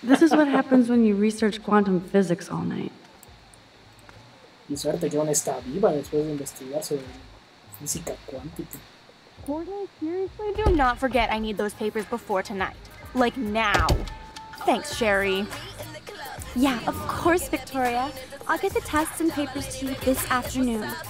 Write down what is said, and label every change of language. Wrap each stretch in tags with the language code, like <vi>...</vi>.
<en>This is what happens when you research quantum physics all night.</en> <es>Y suerte que aún está viva después de investigar sobre física cuántica.</es> <en>Gordon, seriously? Do not forget I need those papers before tonight. Like now. Thanks, Sherry. Yeah, of course, Victoria. I'll get the tests and papers to you this afternoon.</en>